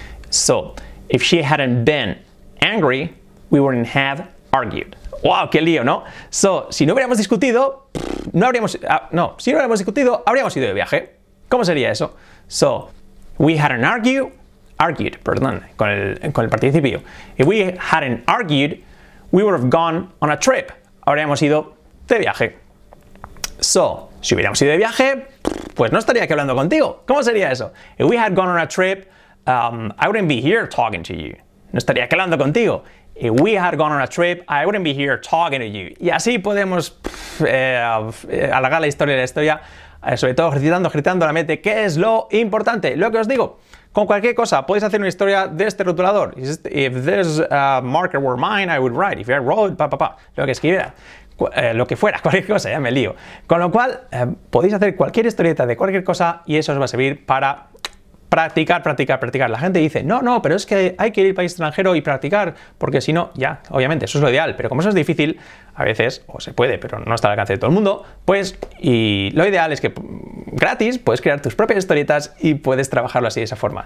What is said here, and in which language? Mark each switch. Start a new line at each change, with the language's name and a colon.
English: So, if she hadn't been angry, we wouldn't have argued.
Spanish: ¡Wow! ¡Qué lío!, ¿no? So, si no hubiéramos discutido, no habríamos discutido, habríamos ido de viaje. ¿Cómo sería eso? So,
English: we hadn't argued,
Spanish: con el participio.
English: If we hadn't argued, we would have gone on a trip.
Spanish: Habríamos ido de viaje. So, si hubiéramos ido de viaje, pues no estaría aquí hablando contigo. ¿Cómo sería eso?
English: If we had gone on a trip, I wouldn't be here talking to you.
Spanish: No estaría aquí hablando contigo.
English: If we had gone on a trip, I wouldn't be here talking to you.
Spanish: Y así podemos alargar la historia de la historia, sobre todo gritando la mente, que es lo importante. Lo que os digo, con cualquier cosa, podéis hacer una historia de este rotulador.
English: If this marker were mine, I would write. If I wrote, pa, pa, pa,
Spanish: lo que escribiera. Lo que fuera, cualquier cosa, ya me lío. Con lo cual, podéis hacer cualquier historieta de cualquier cosa y eso os va a servir para practicar. La gente dice, no, pero es que hay que ir al país extranjero y practicar, porque si no, ya, obviamente, eso es lo ideal. Pero como eso es difícil, a veces, o se puede, pero no está al alcance de todo el mundo, pues, y lo ideal es que, gratis, puedes crear tus propias historietas y puedes trabajarlo así, de esa forma.